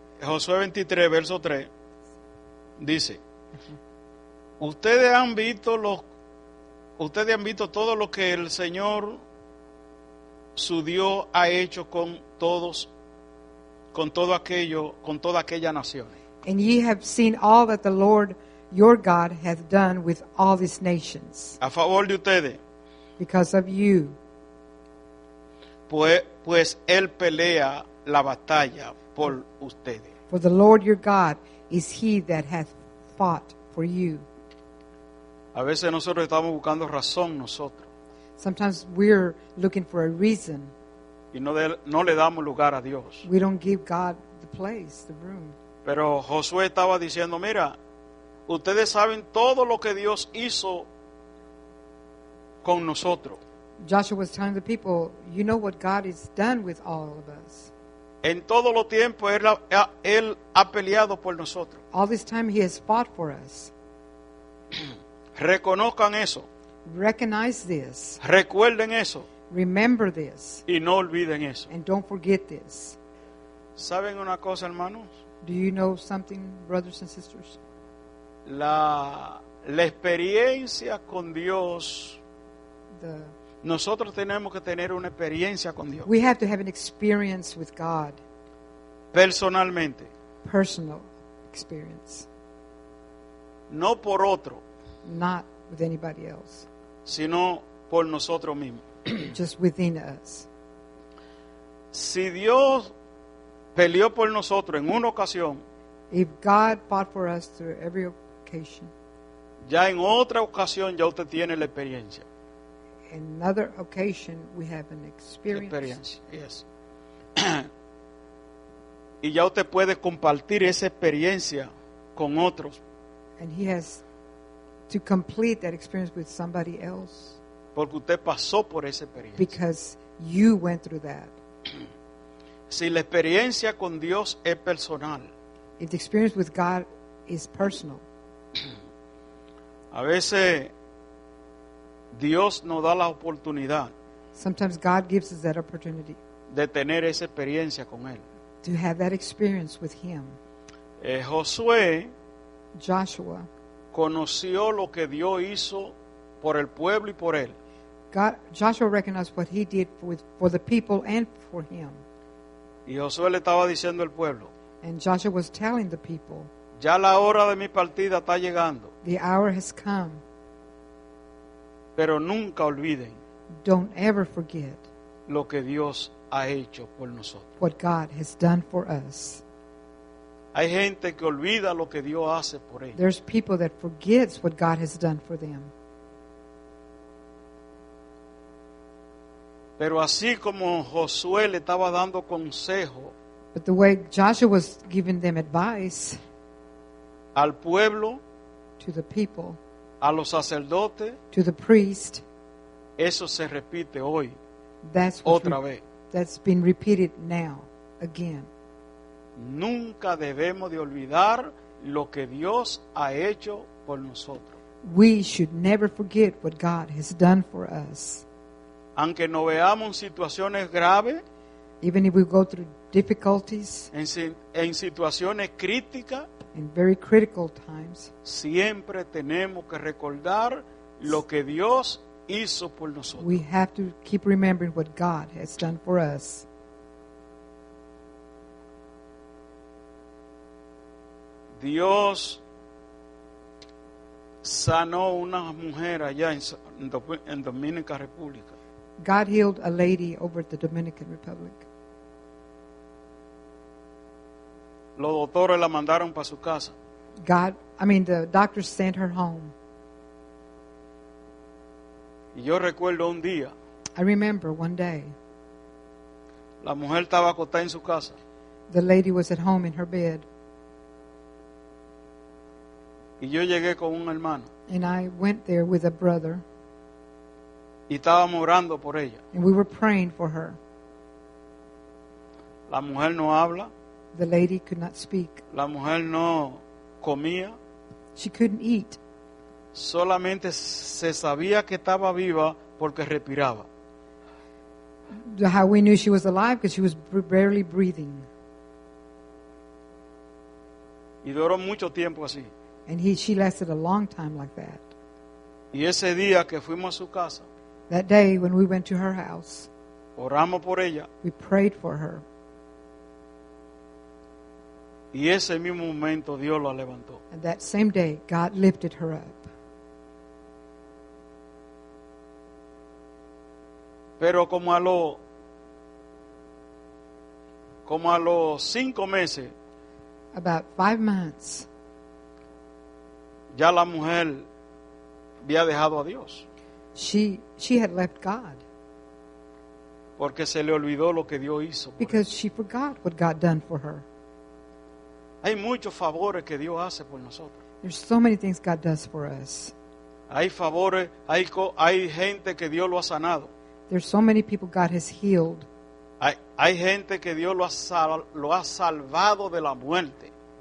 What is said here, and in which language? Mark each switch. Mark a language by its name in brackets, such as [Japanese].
[Spanish] Josué 23, verso 3, dice, ustedes han visto todo lo que el Señor, su Dios, ha hecho con todos, con todo aquello, con todas aquellas naciones. [English] And ye have seen all that the Lord, your God, hath done with all these nations. [Spanish] A favor de ustedes. [English] Because of you. [Spanish] Pues Él pelea la batalla por ustedes. [English] For the Lord your God is he that hath fought for you. [Spanish] A veces nosotros estamos buscando razón nosotros. [English] Sometimes we're looking for a reason. [Spanish] Y no le damos lugar a Dios. [English] We don't give God the place, the room. [Spanish] Pero Josué estaba diciendo, mira, ustedes saben todo lo que Dios hizo con nosotros. [English] Joshua was telling the people, you know what God has done with all of us. [Spanish] En todo lo tiempo él ha peleado por nosotros. [English] All this time he has fought for us. [Spanish] Reconozcan eso. [English] Recognize this. [Spanish] Recuerden eso. [English] Remember this. [Spanish] Y no olviden eso. [English] And don't forget this. [Spanish] ¿Saben una cosa, hermanos? [English] Do you know something, brothers and sisters? [Spanish] La experiencia con Dios. Nosotros tenemos que tener una experiencia con Dios. [English] We have to have an experience with God. [Spanish] Personalmente. [English] Personal experience. [Spanish] No por otro. [English] Not with anybody else. [Spanish] Sino por nosotros mismos. [English] Just within us. [Spanish] Si Dios peleó por nosotros en una ocasión. [English] If God fought for us through every occasion. [Spanish] Ya en otra ocasión ya usted tiene la experiencia. [English] Another occasion we have an experience. Experience, yes. [Spanish] Y ya usted puede compartir esa experiencia con otros. [English] And he has to complete that experience with somebody else. [Spanish] Porque usted pasó por esa experiencia. [English] Because you went through that. [Spanish] Si la experiencia con Dios es personal. [English] If the experience with God is personal. [Spanish] A veces Dios nos da la oportunidad. [English] Sometimes God gives us that opportunity. [Spanish] De tener esa experiencia con Él. [English] To have that experience with Him. [Spanish] Josué. [English] Joshua. [Spanish] Conoció lo que Dios hizo por el pueblo y por él. [English] Joshua recognized what he did for the people and for him. [Spanish] Y Josué le estaba diciendo al pueblo. [English] And Joshua was telling the people. [Spanish] Ya la hora de mi partida está llegando. [English] The hour has come. [Spanish] Pero nunca olviden. [English] Don't ever forget. [Spanish] Lo que Dios ha hecho por nosotros. [English] What God has done for us. [Spanish] Hay gente que olvida lo que Dios hace por ellos. [English] There's people that forgets what God has done for them. [Spanish] Pero así como Josué le estaba dando consejo. [English] But the way Joshua was giving them advice. [Spanish] al pueblo, [English] to the people, [Spanish] a los sacerdotes, [English] to the priest. [Spanish] Eso se repite hoy. [English] That's [Spanish] otra vez. [English] That's been repeated now again. [Spanish] Nunca debemos de olvidar lo que Dios ha hecho por nosotros. [English] We should never forget what God has done for us. [Spanish] Aunque no veamos situaciones graves, [English] even if we go through difficulties, [Spanish] en situaciones críticas, [English] in very critical times, [Spanish] siempre tenemos que recordar lo que Dios hizo por nosotros. [English] We have to keep remembering what God has done for us. [Spanish] Dios sanó una mujer allá en Dominican Republic. [English] God healed a lady over at the Dominican Republic. [Spanish] Los doctores la mandaron para su casa. [English] The doctors sent her home. [Spanish] Y yo recuerdo un día. [English] I remember one day. [Spanish] La mujer estaba acostada en su casa. [English] The lady was at home in her bed. [Spanish] Y yo llegué con un hermano. [English] And I went there with a brother. [Spanish] Y estábamos orando por ella. [English] And we were praying for her. [Spanish] La mujer no habla. [English] The lady could not speak. [Spanish] La mujer no comía. [English] She couldn't eat. [Spanish] Solamente se sabía que estaba viva porque respiraba. [English] How we knew she was alive because she was barely breathing. [Spanish] Y duró mucho tiempo así. [English] And she lasted a long time like that. [Spanish] Y ese día que fuimos a su casa, [English] that day when we went to her house, [Spanish] oramos por ella. [English] We prayed for her. [Spanish] Y ese mismo momento Dios la levantó. [English] And that same day, God lifted her up. [Spanish] Pero como a los 5 meses, [English] about 5 months, [Spanish] ya la mujer había dejado a Dios. [English] She had left God. [Spanish] Porque se le olvidó lo que Dios hizo. [English] Because she forgot what God done for her. [Spanish] Hay muchos favores que Dios hace por nosotros. [English] There's so many things God does for us. [Spanish] Hay favores, hay gente que Dios lo ha sanado. [English] There's so many people God has healed. [Spanish] Hay gente que Dios lo ha salvado de la muerte.